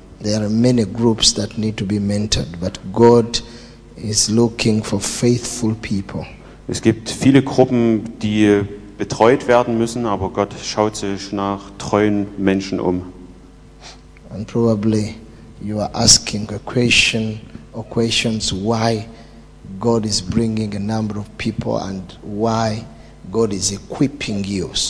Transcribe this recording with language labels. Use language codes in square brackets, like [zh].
[en] There are many groups that need to be mentored, but God is looking for faithful people. [de] Es gibt viele Gruppen, die betreut werden müssen, aber Gott schaut sich nach treuen Menschen um. [en] And probably you are asking a question or questions why God is bringing a number of people and why God is equipping you.